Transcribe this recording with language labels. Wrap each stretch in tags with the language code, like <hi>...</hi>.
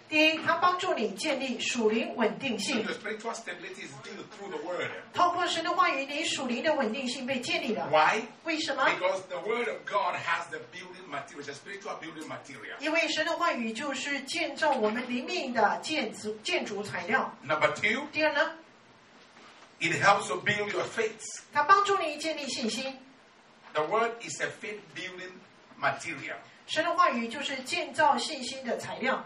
<zh>第一，它帮助你建立属灵稳定性。</zh> <en>So your spiritual stability is built through the word.</en> <zh>透过神的话语，你属灵的稳定性被建立了。</zh> <en>Why?</en> <zh>为什么</zh> <en>？Because the word of God has the building material, the spiritual building material.</en> <zh>因为神的话语就是建造我们灵命的建筑材料。</zh> <en>Number two,</en> <zh>第二呢？</zh> <en>It helps to build your faith.</en> <zh>它帮助你建立信心。</zh> <en>The word is a faith building material.</en> <zh>神的话语就是建造信心的材料。</zh>